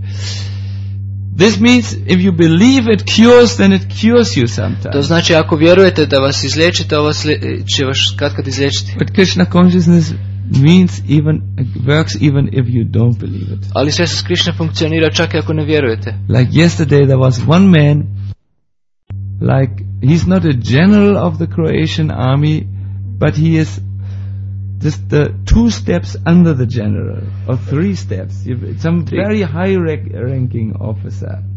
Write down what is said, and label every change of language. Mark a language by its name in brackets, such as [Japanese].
[English] This means if you believe it cures, then it cures you sometimes. [Croatian] To znači ako vjerujete da vas izliječi, to vas će vas kad izliječiti. [English] But Krishna consciousness means even works even if you don't believe it. [Croatian] Ali svjesnost Krišne funkcionira čak i ako ne vjerujete. [English] Like yesterday there was one man, like he's not a general of the Croatian army, but he is just the two steps under the general, or three steps, some very high ranking officer.